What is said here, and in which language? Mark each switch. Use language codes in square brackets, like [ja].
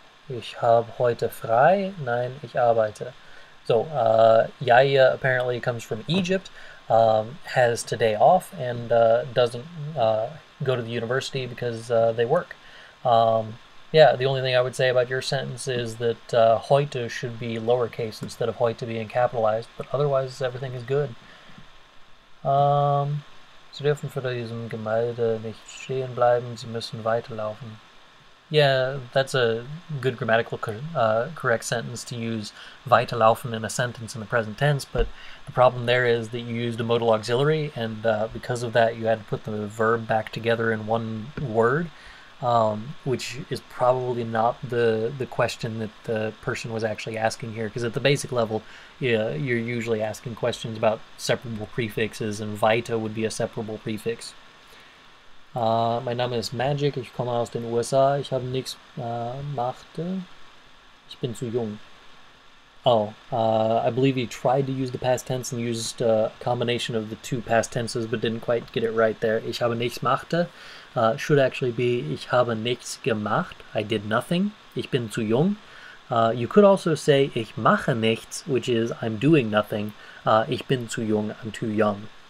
[de] Ich habe heute frei. Nein, ich arbeite. [en] So, Yahya apparently comes from Egypt. has today off and doesn't go to the university because they work. The only thing I would say about your sentence is that heute should be lowercase instead of heute being capitalized, but otherwise everything is good. [de] Sie dürfen vor diesem Gemälde nicht stehen bleiben, Sie müssen weiterlaufen. [en] Yeah, that's a good grammatical correct sentence to use weiterlaufen in a sentence in the present tense, but the problem there is that you used a modal auxiliary, and because of that you had to put the verb back together in one word, which is probably not the question that the person was actually asking here, because at the basic level, yeah, you're usually asking questions about separable prefixes, and weiter would be a separable prefix. [de] Mein Name ist Magic, ich komme aus den USA, ich habe nichts gemacht, ich bin zu jung. [en] Oh, I believe he tried to use the past tense and used a combination of the two past tenses but didn't quite get it right there. [de] Ich habe nichts gemacht [en] should actually be [de] ich habe nichts gemacht, [en] I did nothing, [de] ich bin zu jung. [en] You could also say [de] ich mache nichts, [en] which is I'm doing nothing, [de] ich bin zu jung, [en] I'm too young.